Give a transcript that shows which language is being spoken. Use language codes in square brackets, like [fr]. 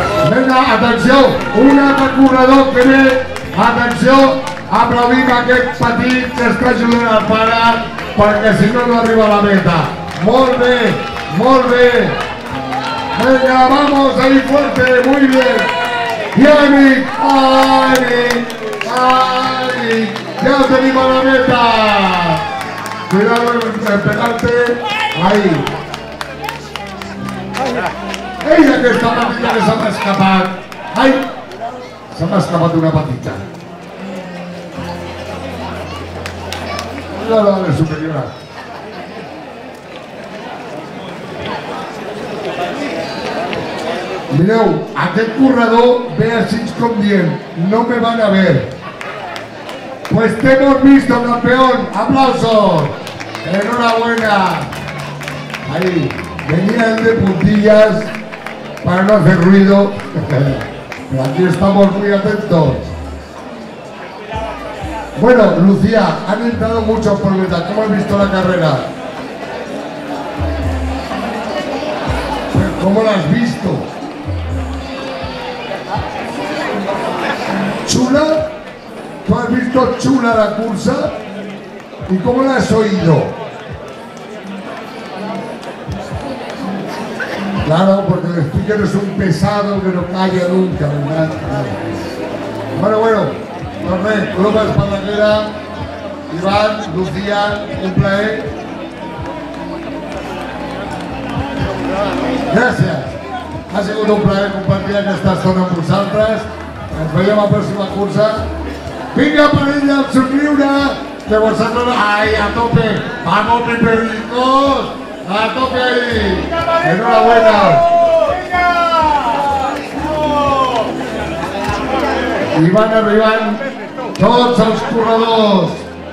[ca] Vinga, atenció, un altre corredor que ve. Atenció, aplaudim aquest petit que està ajudant el pare perquè si no, no arriba a la meta. Molt bé, molt bé. [es] Venga, vamos, ahí fuerte, muy bien. Y Ani, Ani, Ani, ya tenemos la meta. Cuidado, esperarte. Ahí. ¡Ey, que esta patita que se me ha escapado! ¡Ay! Se me ha escapado una patita. Cuidado, dale, superiora. [ca] Mireu, aquest corredor ve així com dient, [es] no me van a ver. Pues te hemos visto, campeón, aplausos. Enhorabuena. Ahí, venían de puntillas para no hacer ruido. Pero aquí estamos muy atentos. Bueno, Lucía, han entrado muchos por meta. ¿Cómo has visto la carrera? ¿Cómo la has visto? ¿Chula? ¿Tú has visto chula la cursa? ¿Y cómo la has oído? Claro, porque el speaker es un pesado que no calla nunca, ¿verdad? Claro. Bueno, Torres, Lupa Espadaquera, Iván, Lucía, un placer. Gracias. Ha sido un placer compartir en esta zona con vosotros. [ca] Ens veiem a la pròxima cursa. Vinga, parella, amb somriure, que vosaltres... [es] Ai, a tope! Vamos, pepericos! A tope! Enhorabuena! Vinga! [ca] I van arribant tots els corredors.